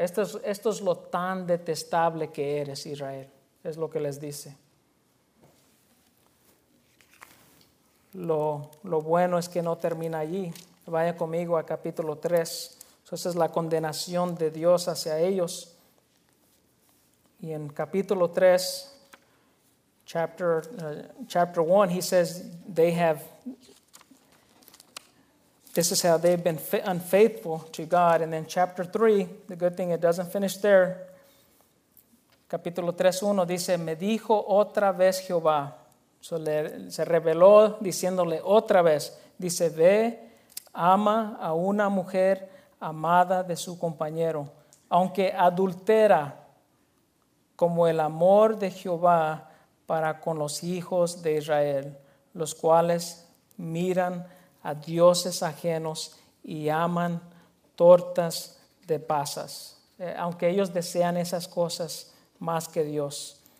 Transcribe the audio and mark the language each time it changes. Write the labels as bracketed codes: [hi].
[es] Esto es lo tan detestable que eres, Israel, es lo que les dice. lo bueno es que no termina allí. Vaya conmigo a capítulo 3. Entonces es la condenación de Dios hacia ellos. Y en capítulo 3, [en] chapter 1, he says they have, this is how they've been unfaithful to God. And then chapter 3, the good thing it doesn't finish there. [es] Capítulo 3, 1 dice, me dijo otra vez Jehová. So se reveló diciéndole otra vez. Dice, ve, ama a una mujer amada de su compañero, aunque adultera, como el amor de Jehová para con los hijos de Israel, los cuales miran a dioses ajenos y aman tortas de pasas, aunque ellos desean esas cosas más que Dios.